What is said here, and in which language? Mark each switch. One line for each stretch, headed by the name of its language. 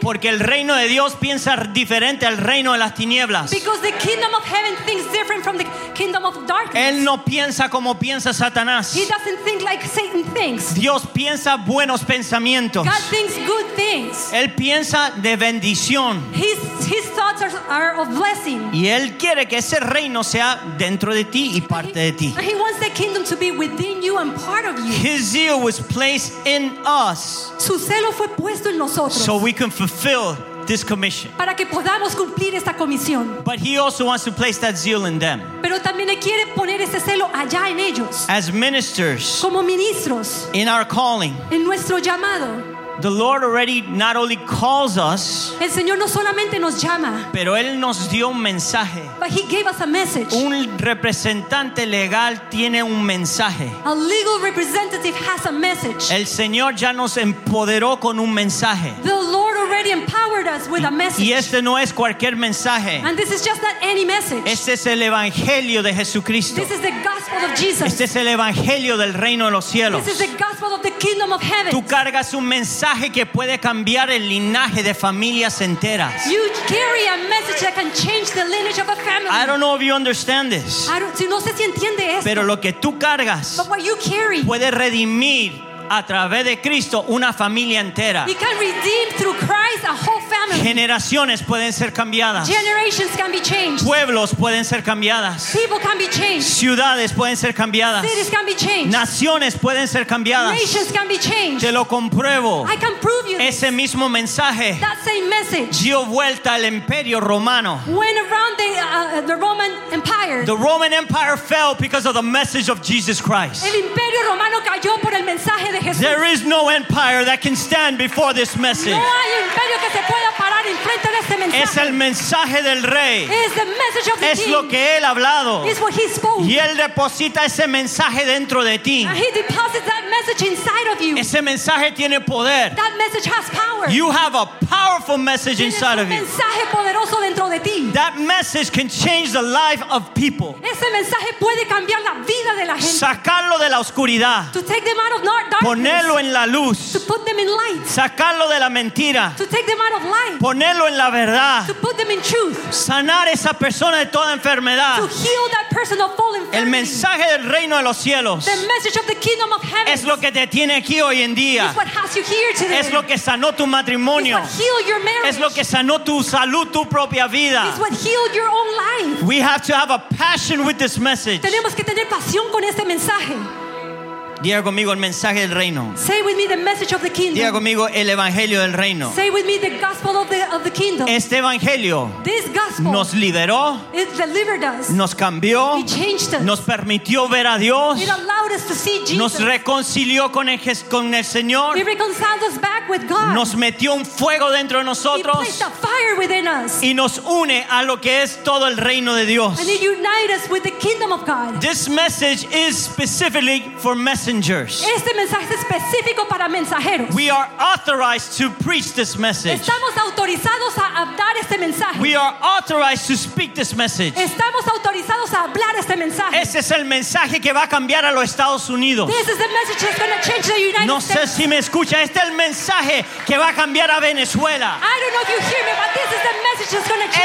Spanish: Porque el reino de Dios piensa diferente al reino de las tinieblas.
English: Because the kingdom of heaven thinks different from the kingdom of darkness.
Spanish: Él no piensa como piensa Satanás.
English: He doesn't think like Satan thinks.
Spanish: Dios piensa buenos pensamientos.
English: God thinks good things.
Spanish: Él piensa de bendición.
English: His thoughts are of blessing.
Spanish: Y él quiere que ese reino sea dentro de ti y parte de ti.
English: And he wants the kingdom to be within you and part of you. His zeal was placed in us.
Spanish: Su celo fue puesto en nosotros.
English: So we can fulfill this commission.
Spanish: Para que podamos cumplir esta comisión.
English: But he also wants to place that zeal in them.
Spanish: Pero también quiere poner ese celo allá en ellos.
English: As ministers.
Spanish: Como ministros.
English: In our calling.
Spanish: En nuestro llamado.
English: The Lord already not only calls us,
Spanish: el Señor no solamente nos llama, pero Él nos dio un mensaje.
English: But He gave us a message.
Spanish: Un representante legal tiene un mensaje.
English: A legal representative has a message.
Spanish: El Señor ya nos empoderó con un mensaje.
English: The Lord already empowered us with a message.
Spanish: Y este no es cualquier mensaje.
English: And this is just not any message.
Spanish: Este es el evangelio de Jesucristo.
English: This is the gospel of Jesus.
Spanish: Este es el evangelio del reino de los cielos.
English: This is the gospel of the kingdom of heaven.
Spanish: Tú cargas un mensaje que puede cambiar el linaje de familias enteras.
English: You carry a message that can change the lineage of a family. I don't know if you understand this.
Spanish: No sé si entiende esto. Pero lo que tú cargas,
English: but what you carry,
Spanish: puede redimir a través de Cristo una familia entera.
English: You can redeem through Christ a whole family.
Spanish: Generaciones pueden ser cambiadas.
English: Generations can be changed.
Spanish: Pueblos pueden ser cambiadas.
English: People can be changed.
Spanish: Ciudades pueden ser cambiadas.
English: Cities can be changed.
Spanish: Naciones pueden ser cambiadas.
English: Nations can be changed.
Spanish: Te lo compruebo.
English: I can prove you.
Spanish: Ese mismo mensaje,
English: that same message,
Spanish: dio vuelta al Imperio Romano.
English: Went around the Roman Empire. The Roman Empire fell because of the message of Jesus Christ.
Spanish: El Imperio Romano cayó por el mensaje.
English: There is no empire that can stand before this message.
Spanish: No hay imperio que se pueda parar en frente de este mensaje. Es el mensaje del rey.
English: Is the message of the
Spanish: es
English: king.
Spanish: Lo que él ha hablado.
English: Is what he spoke.
Spanish: Y él deposita ese mensaje dentro de ti.
English: And he deposits that message inside of you.
Spanish: Ese mensaje tiene poder.
English: That message has power. You have a powerful message
Spanish: tienes
English: inside of you.
Spanish: Un mensaje poderoso dentro de ti.
English: That message can change the life of people.
Spanish: Ese mensaje puede cambiar la vida de la gente. Sacarlo de la oscuridad.
English: To take them out of darkness.
Spanish: Ponerlo en la luz.
English: To put them in light.
Spanish: Sacarlo de la mentira.
English: To take them out of light.
Spanish: Ponerlo en la verdad.
English: To put them in truth.
Spanish: Sanar esa persona de toda enfermedad.
English: To heal that person of all infirmity.
Spanish: El mensaje del reino de los cielos.
English: The message of the kingdom of heaven.
Spanish: Es lo que te tiene aquí hoy en día.
English: Is what has you here today.
Spanish: Es lo que sanó tu matrimonio.
English: Is what healed your marriage.
Spanish: Es lo que sanó tu salud, tu propia vida.
English: Is what healed your own life. We have to have a passion with this message.
Spanish: Tenemos que tener pasión con este mensaje. Diga conmigo el mensaje del reino.
English: Say with me the message of the kingdom.
Spanish: Diga conmigo el evangelio del reino.
English: Say with me the gospel of the kingdom.
Spanish: Este evangelio,
English: this gospel,
Spanish: nos liberó.
English: It delivered us.
Spanish: Nos cambió.
English: It changed us.
Spanish: Nos permitió ver a Dios.
English: It allowed us to see Jesus.
Spanish: Nos reconcilió con el Señor.
English: It reconciled us back with God.
Spanish: Nos metió un fuego dentro de nosotros.
English: It placed a fire within us.
Spanish: Y nos une a lo que es todo el reino de Dios.
English: And it unites us with the kingdom of God. This message is specifically for messengers.
Spanish: Este mensaje es específico para mensajeros.
English: We are authorized to preach this message.
Spanish: Estamos autorizados a dar este mensaje.
English: We are authorized to speak this message.
Spanish: Estamos autorizados a hablar este mensaje. Ese es el mensaje que va a cambiar a los Estados Unidos.
English: This is the message that's going to change the United
Spanish: No sé si me escucha. Este es el mensaje que va a cambiar a Venezuela.
English: I don't know if you hear me, but this is the message that's going to change